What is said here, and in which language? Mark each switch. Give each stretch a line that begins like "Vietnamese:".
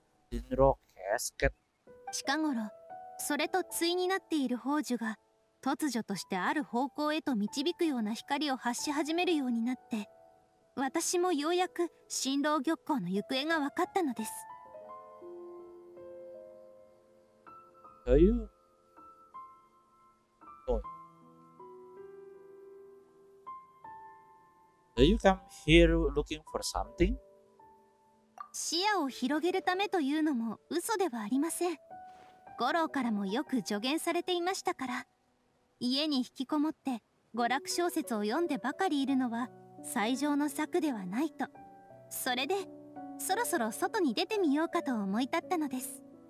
Japanese: 神狼ケースケ。近頃それと対になっている宝珠が突如としてある方向へと導くような光を発し始めるようになって、私もようやく神狼玉壺の行方が分かったのです。どういう、
English: Do you come here looking for something?
Japanese: 視野を広げるためというのも嘘ではありません。五郎からもよく助言されていましたから。家に引きこもって娯楽小説を読んでばかりいるのは最上の策ではないと。それでそろそろ外に出てみようかと思い立ったのです。